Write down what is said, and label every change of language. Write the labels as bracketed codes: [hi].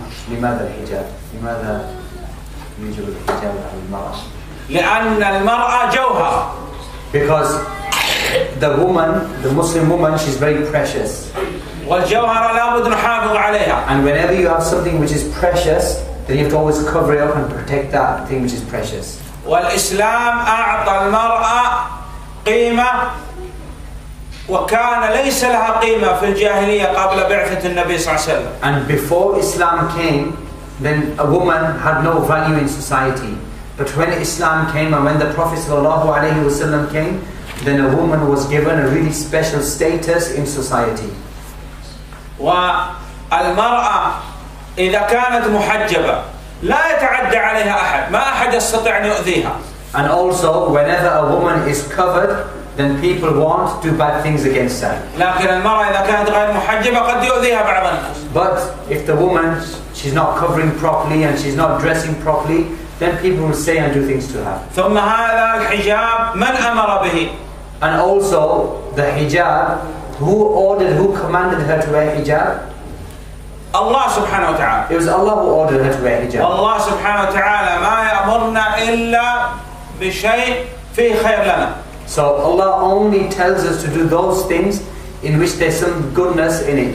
[ar] لماذا الحجاب؟ لماذا يجب الحجاب على المرأة؟ لأن المرأة جوهر. [en] Because the woman, the Muslim woman, she's very precious. [ar] والجوهر لابد نحافظ عليها. [en] And whenever you have something which is precious, then you have to always cover it up and protect that thing which is precious. [ar] والإسلام أعطى المرأة قيمة. وكان ليس لها قيمة في الجاهلية قبل بعثة النبي صلى الله عليه وسلم. [en] And before Islam came, then a woman had no value in society. But when Islam came and when the Prophet sallallahu alaihi wasallam came, then a woman was given a really special status in society. [ar] والمرأة إذا كانت محجبة لا يتعدى عليها أحد. ما أحد يستطيع أن يؤذيها. [en] And also, whenever a woman is covered, then people won't do bad things against her. [ar] لكن المرأة إذا كانت غير محجبة قد يؤذيها بعض الناس. [en] But if the woman, she's not covering properly and she's not dressing properly, then people will say and do things to her. [ar] ثم هذا الحجاب من أمر به؟ [en] And also the hijab, who ordered, who commanded her to wear hijab? [ar] الله سبحانه وتعالى. [en] It was Allah who ordered her to wear hijab. [ar] الله سبحانه وتعالى ما يأمرنا إلا بشيء فيه خير لنا. [en] So Allah only tells us to do those things in which there's some goodness in it.